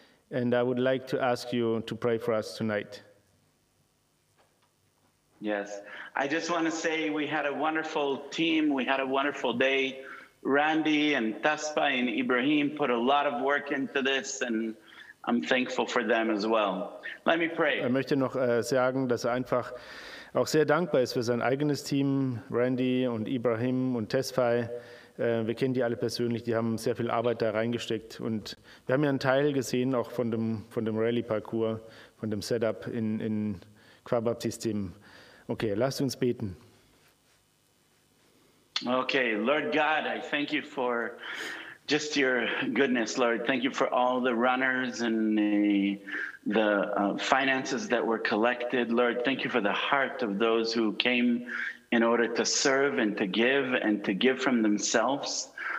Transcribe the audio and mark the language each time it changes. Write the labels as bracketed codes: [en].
[en] And I would like to ask you to pray for us tonight. Yes. I just want to say we had a wonderful team. We had a wonderful day. Randy and Taspa and Ibrahim put a lot of work into this, and I'm thankful for them as well. Let me pray. [de] Er möchte noch sagen, dass er einfach auch sehr dankbar ist für sein eigenes Team, Randy und Ibrahim und Tesfai. Wir kennen die alle persönlich, die haben sehr viel Arbeit da reingesteckt. Und wir haben ja einen Teil gesehen, auch von dem Rallye-Parcours, von dem Setup in Quabab-System. Okay, lasst uns beten. [en] Okay, Lord God, I thank you for just your goodness, Lord. Thank you for all the runners and the finances that were collected, Lord. Thank you for the heart of those who came in order to serve and to give from themselves.